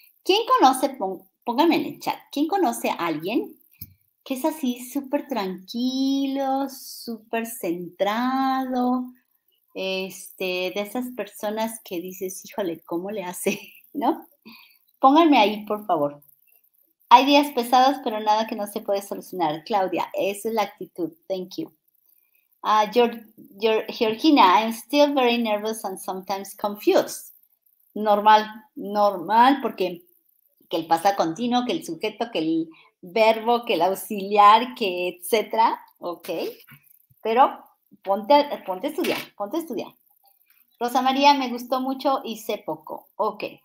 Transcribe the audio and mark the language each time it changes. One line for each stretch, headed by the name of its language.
Spanish: ¿Quién conoce, pónganme en el chat, ¿quién conoce a alguien que es así súper tranquilo, súper centrado, de esas personas que dices, híjole, ¿cómo le hace? ¿No? Pónganme ahí, por favor. Hay días pesados, pero nada que no se puede solucionar. Claudia, esa es la actitud.
English: Thank you. Georgina, I'm still very nervous and sometimes confused.
Spanish: Normal, normal, porque que el pasado continuo, que el sujeto, que el verbo, que el auxiliar, que etcétera, ¿ok? Pero ponte a estudiar, ponte a estudiar. Rosa María, me gustó mucho y sé poco, ¿ok?